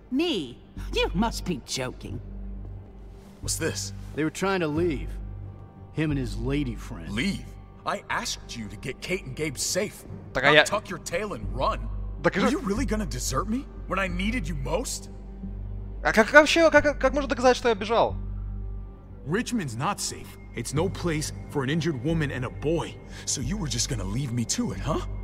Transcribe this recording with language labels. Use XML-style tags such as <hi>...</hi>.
<en>Me? You must be joking. What's this? They were trying to leave. Him and his lady friend. Leave? I asked you to get Kate and Gabe safe. Now tuck your tail and run. Are you really gonna desert me when I needed you most?</en> <ru>Как можно доказать, что я бежал?</ru> <en>Richmond's not safe. It's no place for an injured woman and a boy. So you were just gonna leave me to it, huh?</en>